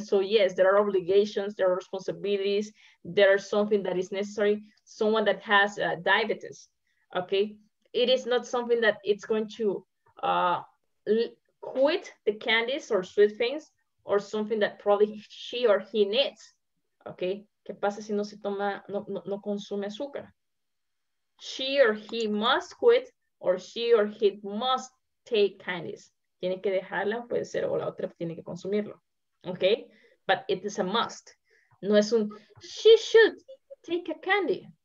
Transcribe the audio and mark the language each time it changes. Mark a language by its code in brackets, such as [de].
[en] So yes, there are obligations, there are responsibilities, there are something that is necessary. Someone that has diabetes, okay? It is not something that it's going to quit the candies or sweet things or something that probably she or he needs, okay? [es] ¿Qué pasa si no se toma, no consume azúcar? [en] She or he must quit or she or he must take candies. [es] Tiene que dejarla, puede ser, o la otra tiene que consumirlo, okay? [en] But it is a must. [es] No es un, [en] she should take a candy.